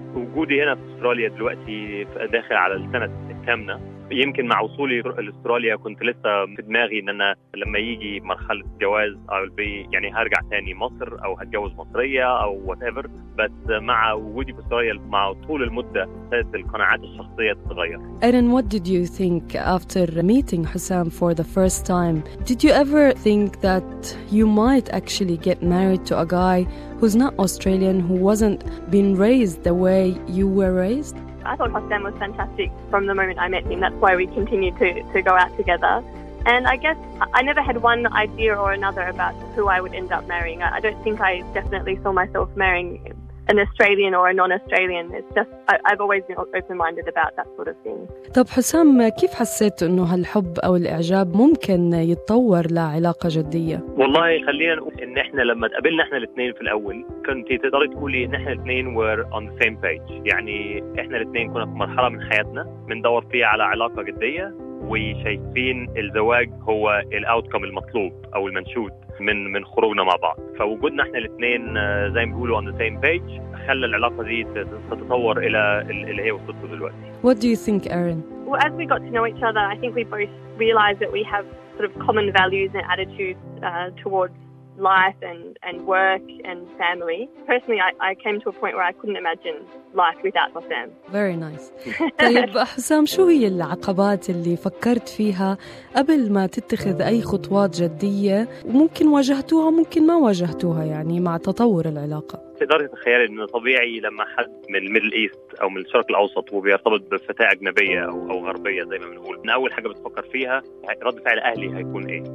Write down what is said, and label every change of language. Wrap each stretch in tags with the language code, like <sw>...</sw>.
<ar>وجودي هنا في أستراليا دلوقتي داخل على السنة الثامنة، يمكن مع وصولي لأستراليا كنت لسه في دماغي إن أنا لما يجي مرحلة جواز أو البي يعني هرجع تاني مصر أو هتجوز مصرية أو whatever، بس مع وجودي في أستراليا مع طول المدة ابتدت القناعات الشخصية تتغير.</ar> <en>Erin, what did you think after meeting Hussam for the first time? Did you ever think that you might actually get married to a guy who's not Australian, who wasn't been raised the way you were raised? I thought Hussam was fantastic from the moment I met him. That's why we continued to go out together. And I guess I never had one idea or another about who I would end up marrying. I don't think I definitely saw myself marrying an Australian or a non-Australian. It's just I've always been open-minded about that sort of thing.</en> <ar>طب حسام، كيف حسيت انه هالحب او الاعجاب ممكن يتطور لعلاقه جديه؟ والله خلينا نقول ان احنا لما تقابلنا احنا الاثنين في الاول كنت تقدري تقولي ان احنا الاثنين</ar> <en>were on the same page،</en> <ar>يعني احنا الاثنين كنا في مرحله من حياتنا بندور فيها على علاقه جديه وشايفين الزواج هو الاوتكم المطلوب او المنشود من خروجنا مع بعض. فوجودنا احنا الاثنين زي ما بيقولوا</ar> <en>on the same page</en> <ar>خلى العلاقه دي تتطور الى اللي هي وصلت له دلوقتي.</ar> <en>What do you think, Erin? Well, as we got to know each other, I think we both realized that we have sort of common values and attitudes towards life and work and family. Personally, I came to a point where I couldn't imagine life without Hussam. Very nice.</en> <ar>طيب حسام، شو هي العقبات اللي فكرت فيها قبل ما تتخذ أي خطوات جدية، وممكن واجهتوها ممكن ما واجهتوها يعني مع تطور العلاقة؟ تقدر تتخيل ان طبيعي لما حد من الميدل ايست او من الشرق الاوسط وبيرتبط بفتاه اجنبيه او غربيه زي ما بنقول، ان اول حاجه بتفكر فيها رد فعل اهلي هيكون ايه.</ar>